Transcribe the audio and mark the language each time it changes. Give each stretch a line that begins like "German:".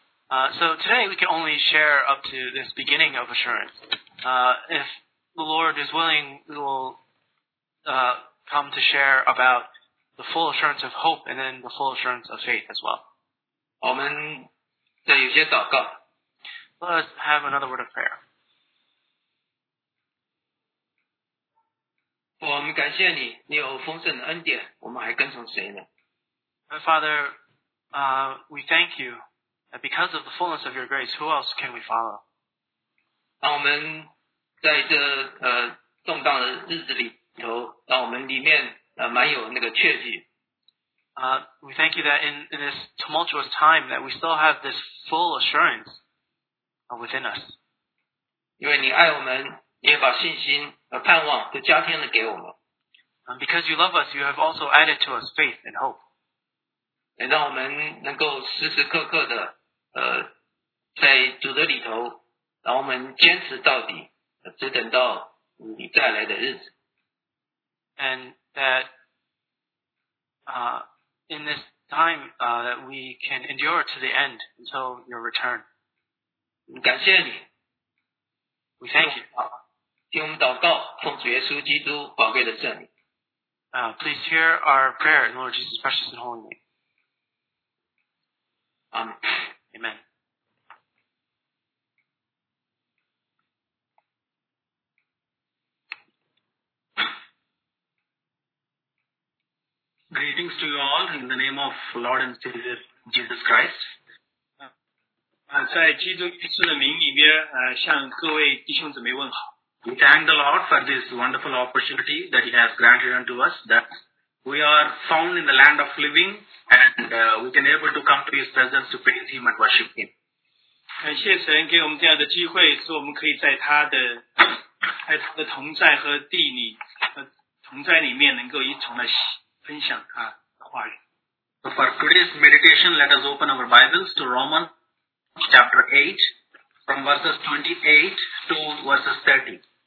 English: So today we can only share up to this beginning of assurance. If the Lord is willing, we will come to share about the full assurance of hope and then the full assurance of faith as well.
Chinese: 我们再有些祷告。
English: Let us have another word of prayer.
Chinese: 我们感谢你，你有丰盛的恩典，我们还跟从谁呢？
English: Father, we thank you. And because of the fullness of your grace, who else can we follow?
Chinese: 让我们在这动荡的日子里头，让我们里面蛮有那个确据。
English: We thank you that in this tumultuous time that we still have this full assurance within us.
Chinese: 因为你爱我们，你也把信心和盼望都加添了给我们。
English: Because you love us, you have also added to us faith and hope.
Chinese: 也让我们能够时时刻刻的在主的里头，让我们坚持到底，只等到你再来的日子。
English: And that in this time that we can endure to the end until your return.
Chinese: 感谢你。
English: We thank you.
Chinese: 听我们祷告，奉主耶稣基督宝贵的圣名。
English: Please hear our prayer in Lord Jesus' precious and holy name. Amen. Greetings to you all in the name of Lord and Savior Jesus Christ.
Chinese: 在基督耶稣的名里面，向各位弟兄姊妹问好。
English: We thank the Lord for this wonderful opportunity that He has granted unto us that we are found in the land of living. And we can able to come to His presence to praise Him and worship Him.
Chinese: 感谢神给我们这样的机会，使我们可以在他的同在和地里同在里面，能够一同来分享他的话语。
English: So for today's meditation, let us open our Bibles to Romans chapter 8, from verses 28 to verses 30.